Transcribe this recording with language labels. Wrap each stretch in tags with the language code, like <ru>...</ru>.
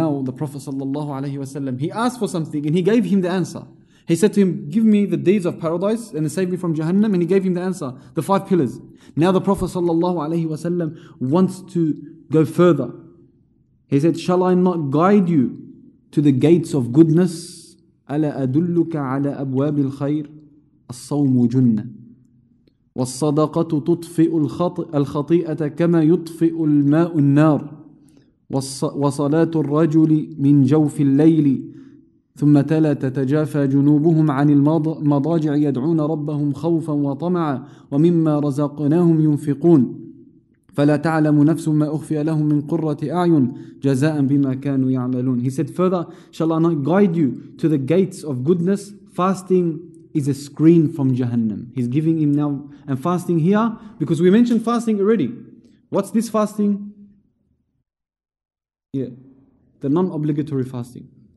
<en>Now the Prophet sallallahu alayhi wa sallam, he asked for something and he gave him the answer. He said to him, give me the deeds of paradise and save me from Jahannam. And he gave him the answer, the five pillars. Now the Prophet sallallahu alayhi wa sallam wants to go further. He said, shall I not guide you to the gates of goodness?</en> <ar>أَلَا أَدُلُّكَ عَلَى أَبْوَابِ الْخَيْرِ الصَّوْمُ جُنَّةِ وَالصَّدَقَةُ تُطْفِئُ الْخَطِيئَةَ كَمَا يُطْفِئُ الْمَاءُ النَّارِ وَصَلَاةُ الرَّجُلِ مِنْ جَوْفِ اللَّيْلِ ثم تلا تتجافى جنوبهم عن المضاجع يدعون ربهم خوفا وطمعا ومما رزقناهم ينفقون فلا تعلم نفس ما أخفي لهم من قرة أعين جزاء بما كانوا يعملون.</ar> <en>He said further, shall I not guide you to the gates of goodness? Fasting is a screen from Jahannam. He's giving him now, and fasting here, because we mentioned fasting already. What's this fasting? Yeah, the non-obligatory fasting.</en>